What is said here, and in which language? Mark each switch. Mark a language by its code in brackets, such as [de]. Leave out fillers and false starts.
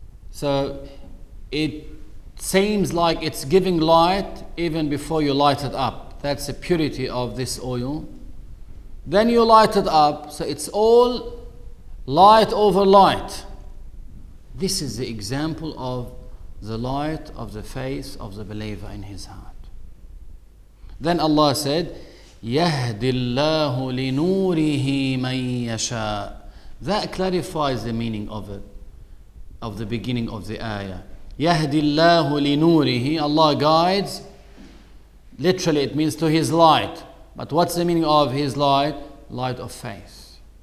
[en] So it seems like it's giving light even before you light it up. That's the purity of this oil. Then you light it up, so it's all light over light. This is the example of the light of the face of the believer in his heart. Then Allah said, [ar] يَهْدِ اللَّهُ لِنُورِهِ مَنْ يَشَاءُ. [en] That clarifies the meaning of it, of the beginning of the ayah. [ar] يَهْدِ اللَّهُ لِنُورِهِ. [en] Allah guides, literally it means to his light. But what's the meaning of his light? Light of faith.